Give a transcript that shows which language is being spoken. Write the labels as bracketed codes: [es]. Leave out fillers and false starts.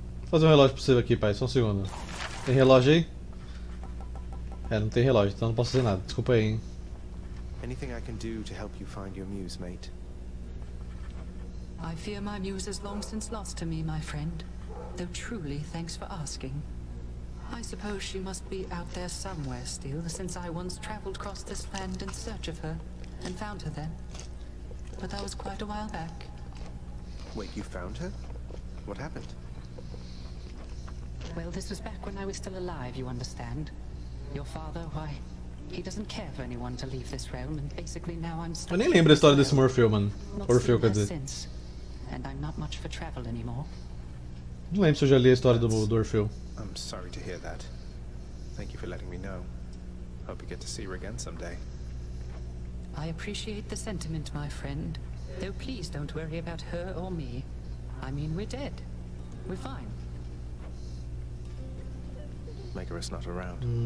[pt] Fazer um relógio pra você aqui, pai, só um segundo. Tem relógio aí? É, não tem relógio, então não posso fazer nada. Desculpa aí, hein. [en] Anything I can do to help you find your muse, mate? I fear my muse has long since lost to me, my friend. Though truly, thanks for asking. I suppose she must be out there somewhere still, since I once traveled across this land in search of her, and found her then. But that was quite a while back. Wait, you found her? What happened? Well, this was back when I was still alive, you understand. Your father, why, he doesn't care for anyone to leave this realm, and basically now I'm stuck. [pt] Eu nem lembro a história desse Morpheu, mano. Morpheu, quer dizer. [en] And I'm not much for travel anymore. [pt] Não lembro se eu já li a história do Orfeu. [en] I'm sorry to hear that. Thank you for letting me know. Hope you get to see her again someday. I appreciate the sentiment, my friend. Though please don't worry about her or me. I mean, we're dead. We're fine. Megara's not around.